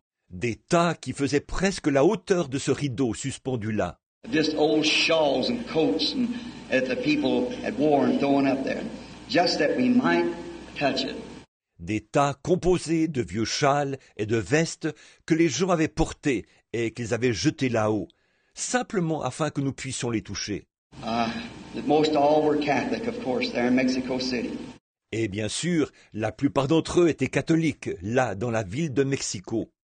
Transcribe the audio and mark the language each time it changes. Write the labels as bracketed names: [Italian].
[French] Des tas qui faisaient presque la hauteur de ce rideau suspendu là. [English] Just old shawls and coats and that the people had worn throwing up there, just that we might touch it. [French] Des tas composés de vieux châles et de vestes que les gens avaient portés et qu'ils avaient jetés là-haut, simplement afin que nous puissions les toucher. [English] Most all were Catholic, of course, there in Mexico City. [French] Et bien sûr, la plupart d'entre eux étaient catholiques, là, dans la ville de Mexico.